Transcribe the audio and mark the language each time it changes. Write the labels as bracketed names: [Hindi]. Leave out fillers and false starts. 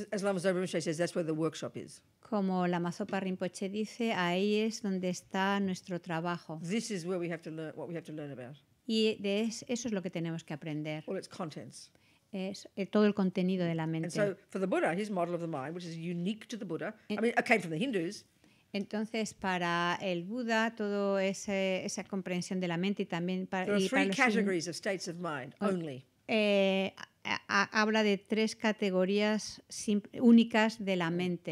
[English] As Lama Zopa Rinpoche says, that's where the workshop is. [Spanish] Como Lama Zopa Rinpoche dice, ahí es donde está nuestro trabajo. [English] This is where we have to learn what we have to learn about. [Spanish] Y eso es lo que tenemos que aprender. [English] All its contents. [Spanish] Es todo el contenido de la mente. [English] And so, for the Buddha, his model of the mind, which is unique to the Buddha, it came from the Hindus. [Spanish] Entonces, para el Buda, toda esa comprensión de la mente y también para [English] There are three [Spanish] para [English] categories of states of mind only. [Spanish] Habla de tres categorías únicas de la mente.